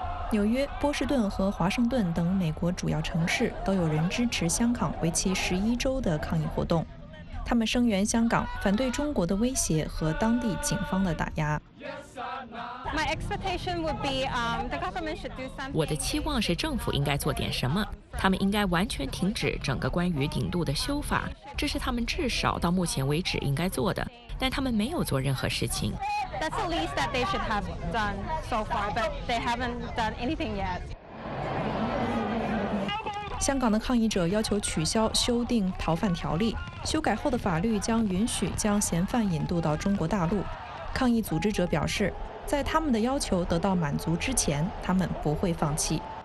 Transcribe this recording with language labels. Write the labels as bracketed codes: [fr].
[zh] 纽约、波士顿和华盛顿等美国主要城市都有人支持香港为期11周的抗议活动，他们声援香港，反对中国的威胁和当地警方的打压。 [en] My expectation would be, the government should do something. [zh] 我的期望是政府应该做点什么，他们应该完全停止整个关于顶度的修法，这是他们至少到目前为止应该做的，但他们没有做任何事情。 [en] That's the least that they should have done so far, but they haven't done anything yet. [zh] 香港的抗议者要求取消修订逃犯条例，修改后的法律将允许将嫌犯引渡到中国大陆。抗议组织者表示，在他们的要求得到满足之前，他们不会放弃。